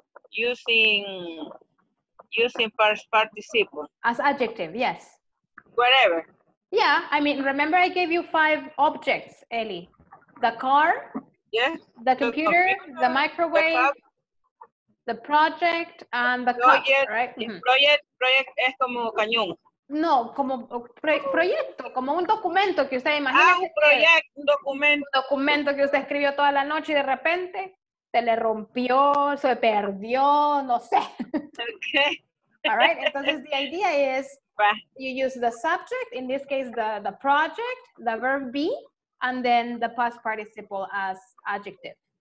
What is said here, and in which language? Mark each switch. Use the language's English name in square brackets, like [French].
[English] Using past participle. As adjective, yes. Whatever. Yeah, I mean, remember I gave you 5 objects, Ellie. The car. Yes. The computer, the microwave, the project, and the project, car, right? [Spanish] Mm-hmm. Project es como cañón. No, como proyecto, como un documento que usted imagina. Ah, un proyecto, un documento. Un documento que usted escribió toda la noche y de repente se le rompió, se perdió, no sé. Okay. [English] All right, entonces the idea is you use the subject, in this case the project, the verb be, and then the past participle as adjective.